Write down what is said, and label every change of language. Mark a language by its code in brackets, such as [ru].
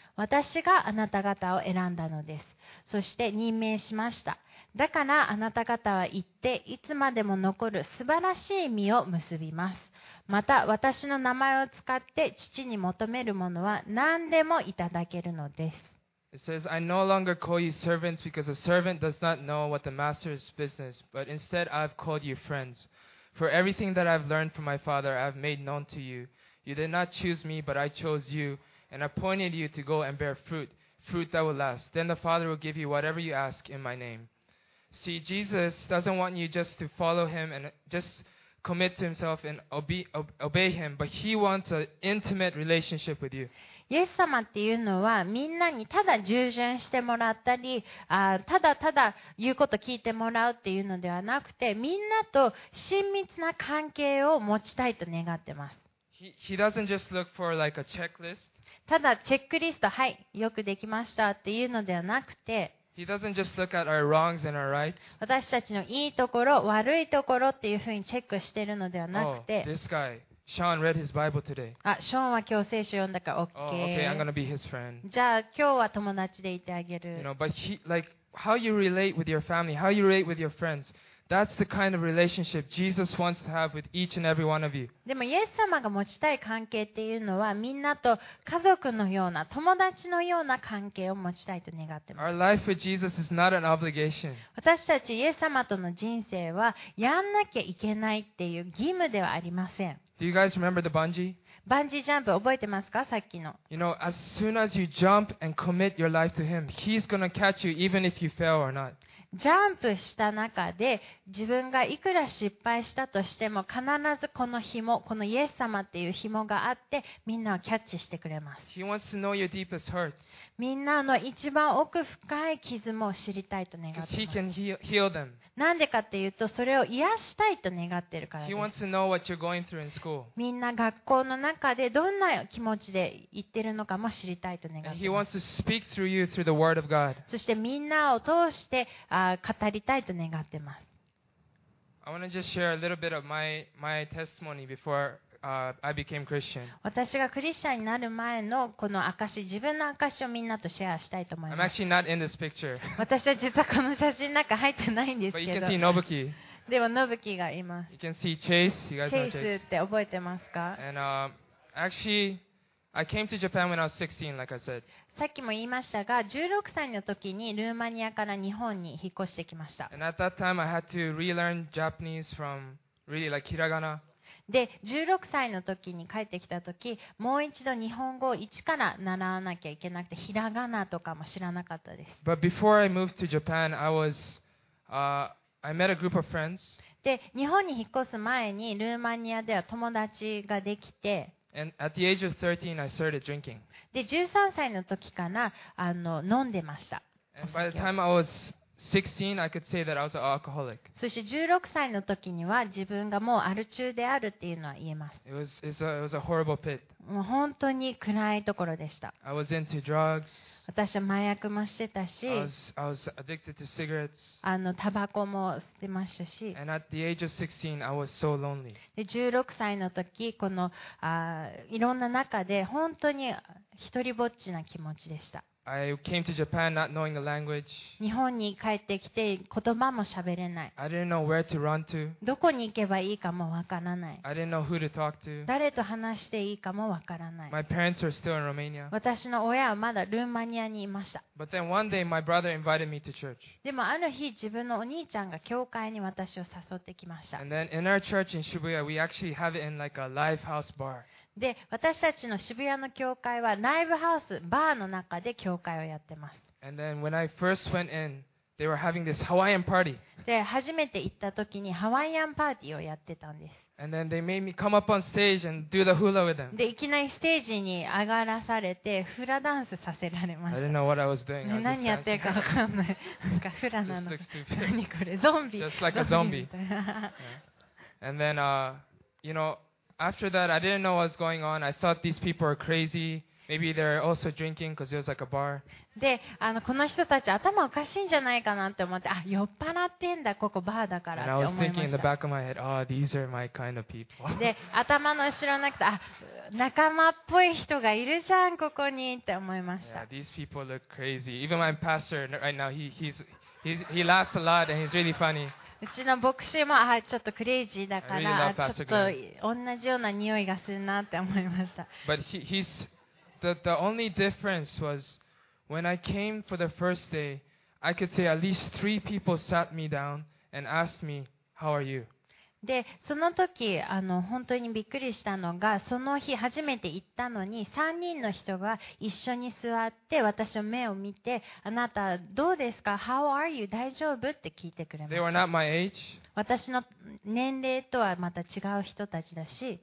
[ja] 私があなた方を選んだのです。そして任命しました。だからあなた方は行って、いつまでも残る素晴らしい実を結びます。また私の名前を使って父に求めるものは何でもいただけるのです。 [en] It says, I no longer call you servants because a servant does not know what the master's business, but instead I've called you friends. For everything that I've learned from my father, I've made known to you. You did not choose me, but I chose you and appointed you to go and bear fruit, fruit that will last. Then the Father will give you whatever you ask in my name. See, Jesus doesn't want you just to follow him and just commit to himself and obey him, but he wants an intimate relationship with you. [ja] イエス様っていうのはみんなにただ従順してもらったりただただ言うこと聞いてもらうっていうのではなくてみんなと親密な関係を持ちたいと願ってます。 [en] He doesn't just look for like a checklist. [ja] ただチェックリスト、はい、よくできましたっていうのではなくて、 [en] He doesn't just look at our wrongs and our rights. [ja] 私たちのいいところ、悪いところっていうふうにチェックしてるのではなくて、 [en] Oh, this guy, Sean read his Bible today. [ja] あ、ショーンは今日聖書読んだから OK。 [en] Oh, okay, I'm gonna be his friend. [ja] じゃあ今日は友達でいてあげる。 [en] You know, but he, like, how you relate with your family, how you relate with your friends. That's the kind of relationship Jesus wants to have with each and every one of you. [ja] でもイエス様が持ちたい関係っていうのはみんなと家族のような友達のような関係を持ちたいと願ってます。 [en] Our life with Jesus is not an obligation. [ja] 私たちイエス様との人生はやんなきゃいけないっていう義務ではありません。 [en] Do you guys remember the bungee? [ja] バンジージャンプ覚えてますか？さっきの。 [en] You know, as soon as you jump and commit your life to Him, He's gonna catch you even if you fail or not. [ja] ジャンプした中で自分がいくら失敗したとしても必ずこの紐、このイエス様っていう紐があってみんなをキャッチしてくれます。 [en] He wants to know your deepest hurts. [ja] みんなの一番奥深い傷も知りたいと願っています。 [en] Because he can heal them. [ja] なんでかっていうとそれを癒したいと願っているからです。 [en] He wants to know what you're going through in school. [ja] みんな学校の中でどんな気持ちで言ってるのかも知りたいと願っています。 [en] And he wants to speak through you through the word of God. [ja] そしてみんなを通して語りたいと願ってます。 [en] I want to just share a little bit of my testimony before I became Christian. [ja] 私がクリスチャンになる前のこの証、自分の証をみんなとシェアしたいと思います。 [en] I'm actually not in this picture. [ja] 私は実はこの写真の中入ってないんですけど。 [en] But you can see Nobuki. [ja] でもノブキがいます。 [en] You can see Chase. You guys know Chase. [ja] って覚えてますか [en] ？And I came to Japan when I was 16, like I said. [ja] さっきも言いましたが、16歳の時にルーマニアから日本に引っ越してきました。 [en] And at that time, I had to relearn Japanese from really like hiragana. [ja] で、16歳の時に帰ってきた時、もう一度日本語を一から習わなきゃいけなくて、ひらがなとかも知らなかったです。 [en] But before I moved to Japan, I met a group of friends. [ja] で、日本に引っ越す前にルーマニアでは友達ができて、 [en] at the age of 13, I started drinking. [ja] で、13歳の時かな、飲んでました。 [en] And by the time I was 16, I could say that I was an alcoholic. [ja] そして16歳の時には自分がもうアル中であるっていうのは言えます。 [en] It was a horrible pit. [ja] もう本当に暗いところでした。 [en] I was into drugs. [ja] 私は麻薬もしてたし、 [en] I was addicted to cigarettes. [ja] タバコも吸ってましたし、 [en] And at the age of 16, I was so lonely. [ja] で16歳の時このいろんな中で本当に一人ぼっちな気持ちでした。 [en] I came to Japan not knowing the language. [ja] 日本に帰ってきて言葉も喋れない。 [en] I didn't know where to run to. [ja] どこに行けばいいかもわからない。 [en] I didn't know who to talk to. [ja] 誰と話していいかもわからない。 [en] My parents were still in Romania. [ja] 私の親はまだルーマニアにいました。 [en] But then one day my brother invited me to church. [ja] でもある日自分のお兄ちゃんが教会に私を誘ってきました。 [en] And then in our church in Shibuya, we actually have it in like a live house bar. [ja] で私たちの渋谷の教会はライブハウス、バーの中で教会をやってます。 [en] And then when I first went in, they were having this Hawaiian party. [ja] で初めて行った時にハワイアンパーティーをやってたんです。 [en] And then they made me come up on stage and do the hula with them. [ja] でいきなりステージに上がらされてフラダンスさせられました。 [en] I didn't know what I was doing. [ja] 何やってるかわかんない。なんかフラなの。 [en] Just looks stupid. [ja] 何これゾンビ。 [en] Just like a zombie. And then, you know. After that, I didn't know what was going on. I thought these people were crazy. Maybe they're also drinking because it was like a bar. [ja] で、この人たち頭おかしいんじゃないかなって思って、あ、酔っ払ってんだ、ここバーだからって思いました。 [en] And I was thinking in the back of my head, oh, these are my kind of people. [ja] で、頭の後ろなくて、あ、仲間っぽい人がいるじゃん、ここにって思いました。 [en] Yeah, these people look crazy. Even my pastor right now, he laughs a lot and he's really funny. [ja] うちの牧師もあちょっとクレイジーだから、 [en] really、 [ja] ちょっと同じような匂いがするなって思いました。 [en] But he's the only difference was when I came for the first day, I could say at least three people sat me down and asked me, How are you? [ja] で、その時、本当にびっくりしたのが、その日初めて行ったのに、3人の人が一緒に座って、私の目を見て、あなたどうですか ? [en] How are you? [ja] 大丈夫って聞いてくれました。 [en] They were not my age. [ja] 私の年齢とはまた違う人たちだし。